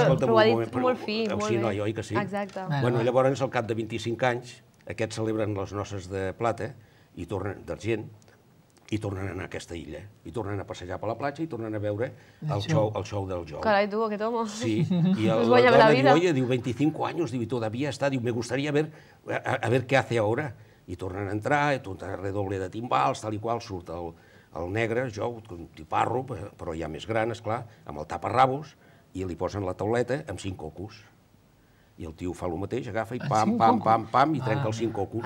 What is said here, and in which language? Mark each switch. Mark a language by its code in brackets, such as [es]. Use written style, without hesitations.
[ca] Ja ho sé, però ho ha dit molt fi. Exacte. Bueno, llavors, al cap de 25 anys, aquests celebren les noces de plata i tornen d'argent i tornen a aquesta illa. I tornen a passejar per la platja i tornen a veure el show del Jou. Carai, tu, que tomo. Sí. I la dona diu, oi, 25 anys, diu, [es] todavía está, [ca] diu, [es] me gustaría ver qué hace ahora. [ca] I tornen a entrar, i tornen a redoble de timbals, tal i qual, surt el negre, jo, un tiparro, però ja més gran, és clar, amb el taparrabos, i li posen la tauleta amb 5 cocos. I el tio fa el mateix, agafa i pam, pam, pam, pam, i trenca els 5 cocos.